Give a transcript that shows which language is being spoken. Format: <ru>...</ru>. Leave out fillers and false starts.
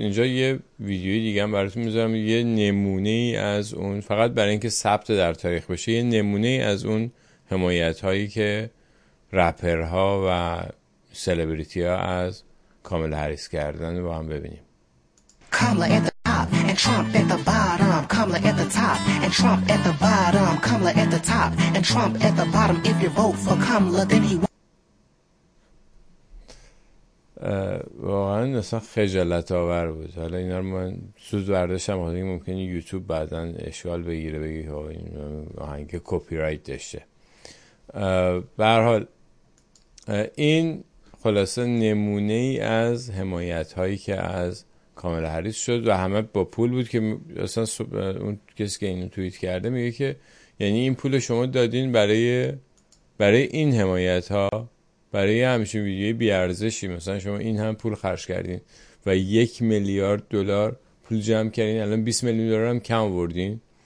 <fa>اینجا یه ویدیوی دیگه هم براتون میذارم، یه نمونه ای از اون، فقط برای اینکه ثبت در تاریخ بشه، یه نمونه ای از اون حمایت هایی که رپرها و سلبریتی ها از Kamala Harris کردن رو هم ببینیم.</fa> <en>Kamala at the top and Trump at the bottom. Kamala at the top and Trump at the bottom. Kamala at the top and Trump at the bottom. If you vote for Kamala then he</en> <fa>واقعاً اصلا خجالت آور بود. حالا اینا رو من سوز برداشتم، حالا ممکنه یوتیوب بعداً اشکال بگیره بگی ها این آهنگ کپی رایت داشته. به هر حال این خلاصه نمونه ای از حمایت هایی که از کامالا هریس شد و همه با پول بود که اصلا اون کسی که اینو توییت کرده میگه که یعنی این پول شما دادین برای این حمایت ها، برای همچین ویدیوی بی ارزشی مثلا شما این هم پول خرج کردین و $1 میلیارد پول جمع کردین، الان $20 میلیون هم کم آوردین.</fa>